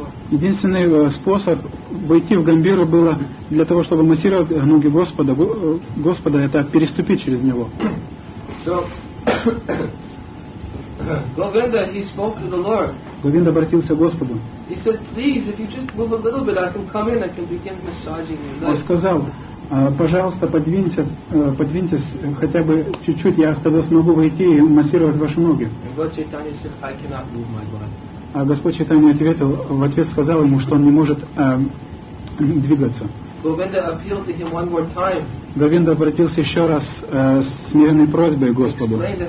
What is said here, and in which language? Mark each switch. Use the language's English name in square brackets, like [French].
[Russian] Единственный способ войти в Гамбиру было для того, чтобы массировать ноги Господа, это переступить через него. [English] Govinda, he spoke to the Lord. [Russian] Govinda обратился к Господу. [English] He said, "Please, if you just move a little bit, I can come in. I can begin massaging your legs." [Russian] Он сказал, пожалуйста, подвиньтесь хотя бы чуть-чуть, я с тобой смогу войти и массировать ваши ноги. [English] And Lord Chaitanya said, "I cannot move my body." [Russian] А Господь Чайтанья в ответ сказал ему, что он не может двигаться. [English] Govinda appealed to him one more time. [Russian] Говинда обратился еще раз с смиренной просьбой к Господу.